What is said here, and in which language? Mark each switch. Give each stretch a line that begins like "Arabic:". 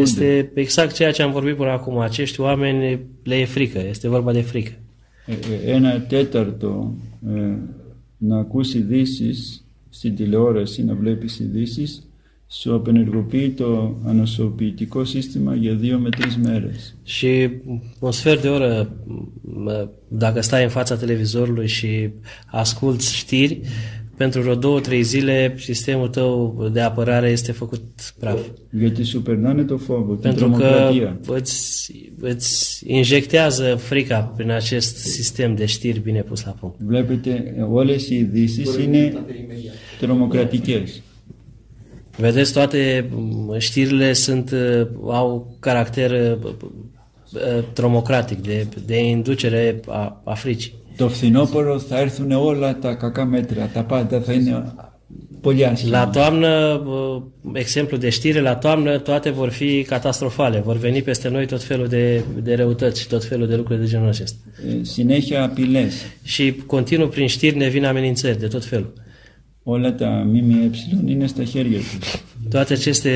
Greek: Είστε εξάκ ξέα και αν βορβεί πουρα ακόμα. Αυτοί άμενοι λέει φρίκα. Είστε βόρμα δε φρίκα. Ένα τέταρτο να ακούς ειδήσεις στην τηλεόραση, να βλέπεις ειδήσεις, σου απενεργοποιεί το ανοσοποιητικό σύστημα για 2 με 3 μέρες.
Romanian: Și un sfert de oră, dacă stai în fața televizorului și asculți știri, pentru vreo 2-3 zile sistemul tău de apărare este făcut praf.
Greek: Γιατί σου περνάνε το φόβο, την τρομοκρατία.
Romanian: Pentru că îți injectează frica prin acest sistem de știri bine pus la punct.
Greek: Βλέπετε, όλες οι ειδήσεις είναι τρομοκρατικές.
Romanian: Vedeți, toate știrile sunt, au caracter tromocratic, de inducere a fricii.
Greek: Το φθινόπωρο θα έρθουν όλα τα κακά μέτρα, τα πάντα θα είναι πολύ άσχημα.
Romanian: La toamnă, exemplu de știre, la toamnă toate vor fi catastrofale, vor veni peste noi tot felul de, de răutăți și tot felul de lucruri de genul acesta.
Greek: Συνέχεια απειλές.
Romanian: Și continuu prin știri ne vin amenințări de tot felul.
Greek: Όλα τα ΜΜΕ είναι στα χέρια τους.